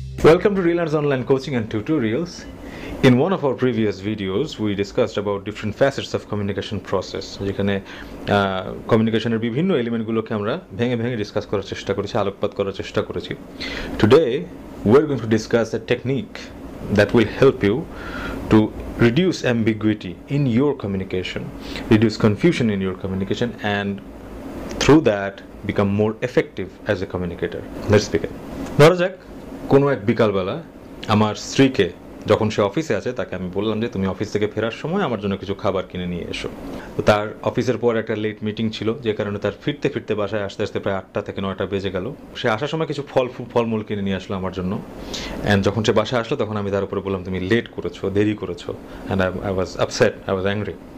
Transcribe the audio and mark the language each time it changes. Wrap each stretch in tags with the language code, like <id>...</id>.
<en>Welcome to ReLearn's online coaching and tutorials. In one of our previous videos, we discussed about different facets of communication process.</en> <bn>যেখানে communication এর বিভিন্ন element গুলোকে আমরা ভেঙে ভেঙে discuss করার চেষ্টা করেছি, আলোকপাত করার চেষ্টা করেছি.</bn> <en>Today, we are going to discuss a technique that will help you to reduce ambiguity in your communication, reduce confusion in your communication, and through that, become more effective as a communicator. Let's begin.</en> <bn>ধরা যাক, কোনো এক বিকালবেলা আমার স্ত্রীকে যখন সে অফিসে আছে তাকে আমি বললাম যে তুমি অফিস থেকে ফেরার সময় আমার জন্য কিছু খাবার কিনে নিয়ে এসো। তো তার অফিসের পর একটা লেট মিটিং ছিল, যে কারণে তার ফিরতে ফিরতে বাসায় আসতে আসতে প্রায় 8টা থেকে 9টা বেজে গেল। সে আসার সময় কিছু ফলমূল কিনে নিয়ে আসলো আমার জন্য, অ্যান্ড যখন সে বাসায় আসলো তখন আমি তার উপরে বললাম তুমি লেট করেছো, দেরি করেছো,</bn> <en>And I was upset, I was angry.</en>